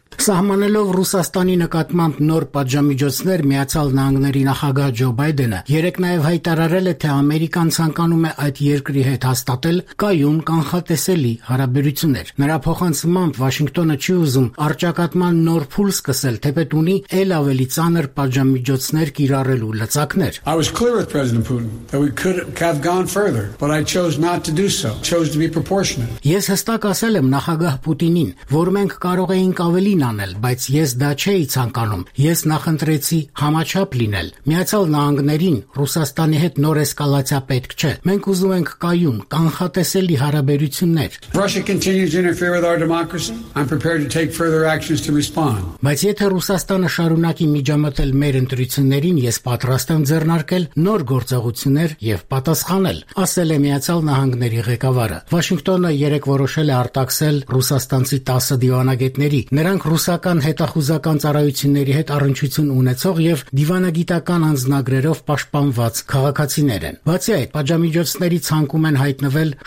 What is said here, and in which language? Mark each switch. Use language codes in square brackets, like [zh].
[hy] Սահմանելով Ռուսաստանի նկատմամբ նոր պատժամիջոցներ, Միացյալ Նահանգների նախագահ Ջո Բայդենը երեկ նաև հայտարարել է, թե Ամերիկան ցանկանում է այդ երկրի հետ հաստատել կայուն կանխատեսելի հարաբերություններ։ Նրա փոխանցմամբ Վաշինգտոնը չի ուզում արճակատման նոր փուլ սկսել, թեպետ ունի էլ ավելի ծանր պատժամիջոցներ կիրառելու լծակներ։ [en] I was clear with President Putin that we could have gone further, but I chose not to do so. Chose to be proportionate. [hy] Ես հստակ ասել եմ նախագահ Պուտինին, որ մենք կարող էինք ավելի նանել, բայց ես դա չէի ցանկանում, ես նախընտրեցի համաչափ լինել։ Միացյալ Նահանգներին Ռուսաստանի հետ նոր էսկալացիա պետք չէ, մենք ուզում ենք կայուն կանխատեսելի հարաբերություններ։ [en] Russia continues to interfere with our democracy. I'm prepared to take further actions to respond. [hy] Բայց եթե Ռուսաստանը շարունակի միջամտել մեր ընտրություններին, ես պատրաստ եմ ձեռնարկել նոր գործողություններ եւ պատասխանել, ասել է Միացյալ Նահանգների ղեկավարը։ Վաշինգտոնը երեկ որոշել է արտաքսել ռուսաստանցի 10 դիվանագետների, նրանք ռուսական հետախուզական ծառայությունների հետ առնչություն ունեցող եւ դիվանագիտական անձնագրերով պաշտպանված քաղաքացիներ են։ Բացի այդ, պատժամիջոցների ցանկում են հայտնվել